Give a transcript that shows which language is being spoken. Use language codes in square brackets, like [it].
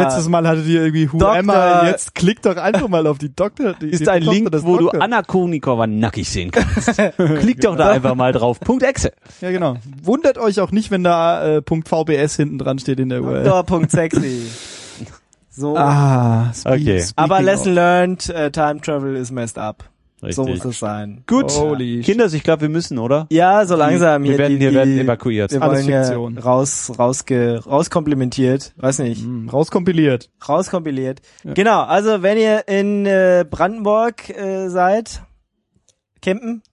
[de] Letztes Mal hattet ihr irgendwie Who Doctor. Am I? Jetzt klick doch einfach mal auf die Doktor. Die, ist ein Link, wo du Anna Kournikova nackig sehen kannst. Klick doch da einfach mal drauf. Punkt .exe. Ja, genau. Wundert euch auch nicht, wenn da Punkt .vbs hinten dran steht in der URL. Doktor Punkt .sexy. So. Ah, okay. Aber [en] lesson learned, time travel is messed up. [de] Richtig. So muss es sein. Gut. Holy Kinders, ich glaube, wir müssen, oder? Ja, so langsam. Wir werden evakuiert. Wir wollen rauskomplimentiert. Weiß nicht. Rauskompiliert. Rauskompiliert. Ja. Genau. Also, wenn ihr in Brandenburg seid, campen.